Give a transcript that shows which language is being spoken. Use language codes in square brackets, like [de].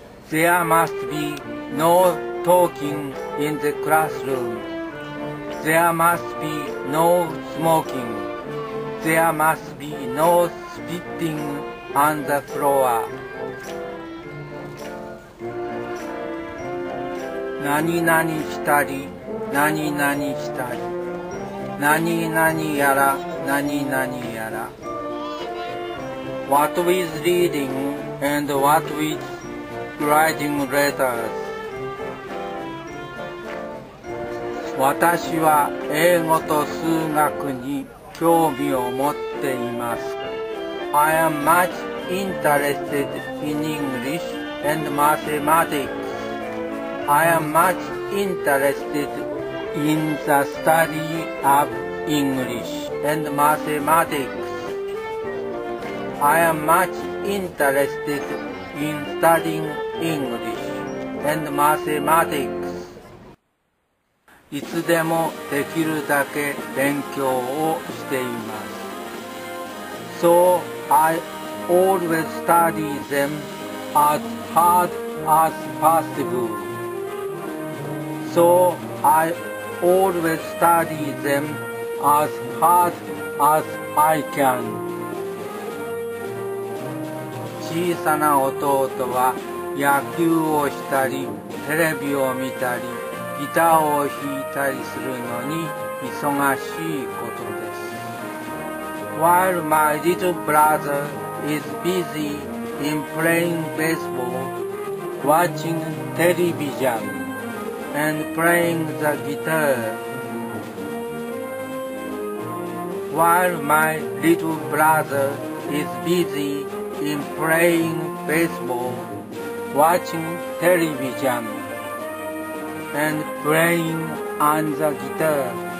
[en] There must be no talking in the classroom. There must be no smoking. There must be no spitting on the floor. [ja] 何々したり、何々したり。何々やら何々やら。 [en] What with reading and what with writing letters? [ja] 私は英語と数学に興味を持っています。 [en] I am much interested in English and mathematics. I am much interested in the study of English and mathematics. I am much interested in studying English and mathematics. [ja] いつでもできるだけ勉強をしています。 [en] So I always study them as hard as possible. So IAlways study them as hard as I can. [ja] 小さな弟は野球をしたりテレビを見たりギターを弾いたりするのに忙しいことです。 [en] While my little brother is busy in playing baseball, watching television,and playing the guitar. While my little brother is busy in playing baseball, watching television, and playing on the guitar.